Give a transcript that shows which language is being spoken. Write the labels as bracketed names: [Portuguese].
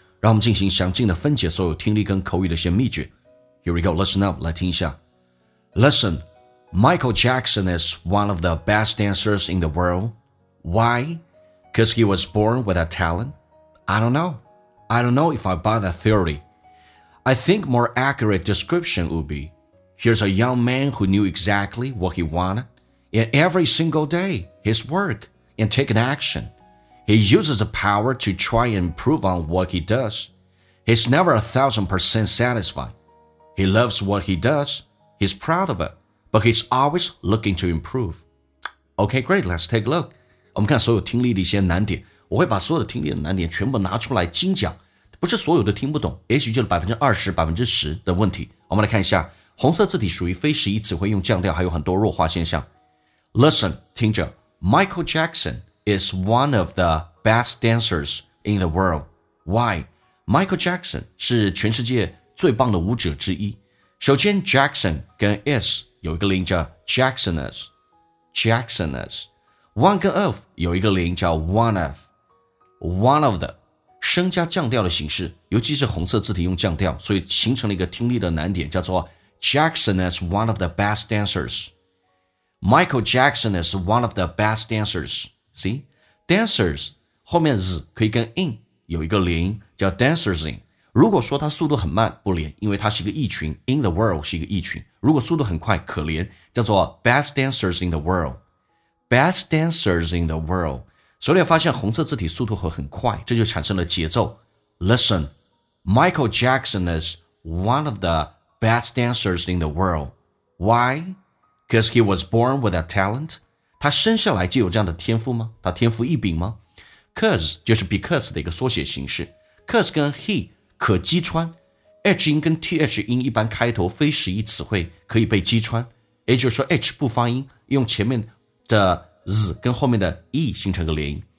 [Chinese] 让我们进行详尽的分解所有听力跟口语的一些秘诀。 [English] Here we go, listen up， [Chinese] 来听一下。 [English] Listen， Michael Jackson is one of the best dancers in the world. Why? Because he was born with a talent. I don't know. I don't know if I buy that theory. I think more accurate description would be. Here's a young man who knew exactly what he wanted in every single day, his work, and take an action. He uses the power to try and improve on what he does. He's never 1000% satisfied. He loves what he does. He's proud of it, but he's always looking to improve. Okay, great, let's take a look. [Chinese] 我们看所有听力的一些难点，我会把所有的听力的难点全部拿出来精讲，不是所有的听不懂，也许就是 20%、10% 的问题。我们来看一下。红色字体属于非实义词汇，用降调还有很多弱化现象。 [English] Listen, [Chinese] 听着 [English] Michael Jackson is one of the best dancers in the world. [Chinese] Why? Michael Jackson 是全世界最棒的舞者之一。首先 Jackson 跟 is 有一个零叫 Jacksoners, Jacksoners. One 跟 of 有一个零叫 one of, one of the. 升加降调的形式，尤其是红色字体用降调，所以形成了一个听力的难点，叫做 [English] Jackson is one of the best dancers. Michael Jackson is one of the best dancers. [Chinese] See? Dancers, 后面 z 可以跟 in 有一个连音叫 dancers in. 如果说它速度很慢不连，因为它是一个异群， in the world 是一个异群。如果速度很快可连，叫做 [English] best dancers in the world. Best dancers in the world. [Chinese] 所以发现红色字体速度会很快，这就产生了节奏。 [English] Listen, Michael Jackson is one of the best dancers in the world. Why? Because he was born with a talent. [Chinese] 他生下来就有这样的天赋吗？他天赋异禀吗？Cause 就是 because 的一个缩写形式。 Cause 跟 he 可击穿。 H 音跟 TH 音一般开头非实义词汇可以被击穿。也就是说 H 不发音，用前面的 z 跟后面的 e 形成个连音。